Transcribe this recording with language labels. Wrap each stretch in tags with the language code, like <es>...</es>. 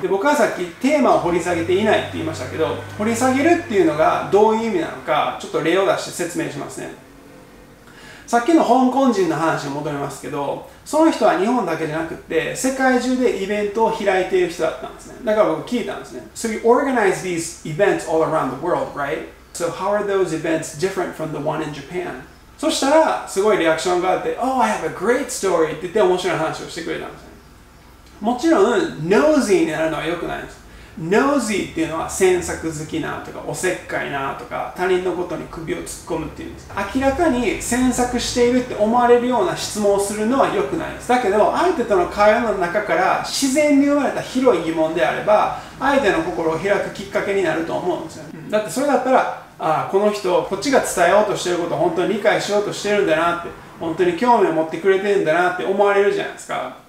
<ja>で、僕はさっきテーマを掘り下げていないって言いましたけど、掘り下げるっていうのがどういう意味なのかちょっと例を出して説明しますね。さっきの香港人の話に戻りますけど、その人は日本だけじゃなくて世界中でイベントを開いている人だったんですね。だから僕聞いたんですね。</ja> <en>So you organize these events all around the world, right? So how are those events different from the one in Japan?</en> <ja>そしたらすごいリアクションがあって、</ja> <en>Oh, I have a great story</en> <ja>って言って面白い話をしてくれたんですね。もちろん nosy になるのは良くないんです。nosy っていうのは詮索好きなとか、おせっかいなとか、他人のことに首を突っ込むっていうんです。明らかに詮索しているって思われるような質問をするのは良くないです。だけど相手との会話の中から自然に生まれた広い疑問であれば、相手の心を開くきっかけになると思うんですよ、ね、だってそれだったら、あ、この人こっちが伝えようとしていることを本当に理解しようとしてるんだなって、本当に興味を持ってくれてるんだなって思われるじゃないですか。</ja>